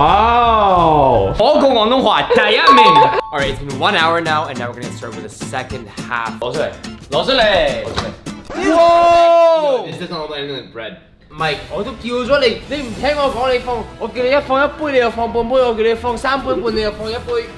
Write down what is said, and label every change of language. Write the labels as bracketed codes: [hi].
[zh] 哎呦啊你搞的啊你搞的我来捂住放在一个暖地方暖地方暖地方哈挺聪明哦这个是暖地方哇哦我讲广东话第一名 [en] Alright, it's been 1 hour now, and now we're gonna start with the second half. [zh] 老师嘞。老师嘞。老师嘞。Whoa! [en] this doesn't look like anything like bread. [zh] Mike, 我都叫了你，你不听我讲，你放， 我叫你一放一杯，你又放半杯，我叫你放三杯半，你又放一杯。